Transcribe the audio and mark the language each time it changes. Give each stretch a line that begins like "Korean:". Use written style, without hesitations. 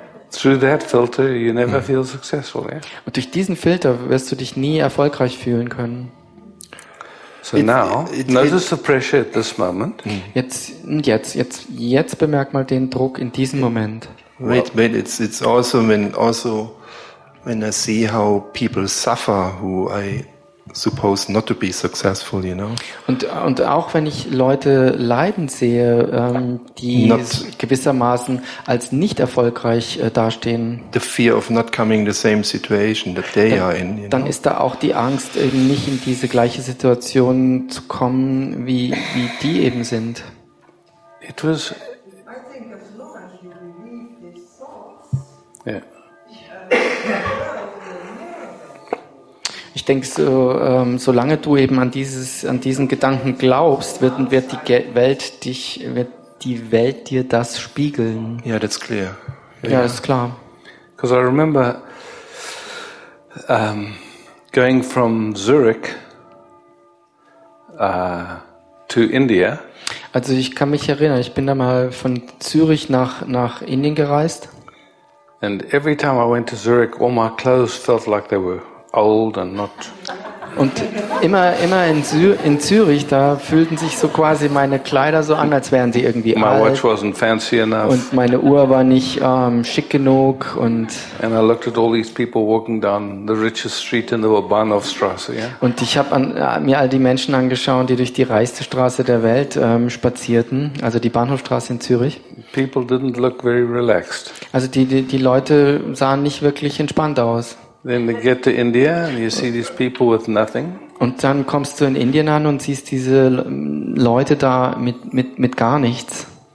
English: Through that filter you never feel successful, yeah?
German: Und durch diesen Filter wirst du dich nie erfolgreich fühlen können.
English: So now, notice the pressure at this moment.
German: Jetzt bemerk mal den Druck in diesem Moment.
English: Wait, it's also when I see how people suffer who I supposed not to be successful, you know.
German: Und auch wenn ich Leute leiden sehe, die gewissermaßen als nicht erfolgreich dastehen.
English: The fear of not coming the same situation that they are in.
German: Dann ist da auch die Angst, eben nicht in diese gleiche Situation zu kommen, wie die eben sind.
English: It was.
German: Ich denke, so, solange du eben an diesen Gedanken glaubst, wird die Welt dir das spiegeln.
English: Yeah, that's clear.
German: Ja, ist klar.
English: Because I remember going from Zurich to India.
German: Also ich kann mich erinnern, ich bin da mal von Zürich nach Indien gereist.
English: And every time I went to Zurich, all my clothes felt like they were old and not.
German: Und immer in Zürich, da fühlten sich so quasi meine Kleider so an, als wären sie irgendwie
English: my
German: alt.
English: Watch wasn't fancy enough.
German: Und meine Uhr war nicht schick genug.
English: And I looked at all these people walking down the richest street in the Bahnhofstrasse. Yeah?
German: Und ich habe mir all die Menschen angeschaut, die durch die reichste Straße der Welt spazierten, also die Bahnhofstraße in Zürich.
English: People didn't look very relaxed.
German: Also die Leute sahen nicht wirklich entspannt aus.
English: Then you get to India and you see these people with nothing.
German: Und dann kommst du in Indien an und siehst diese Leute da mit gar nichts.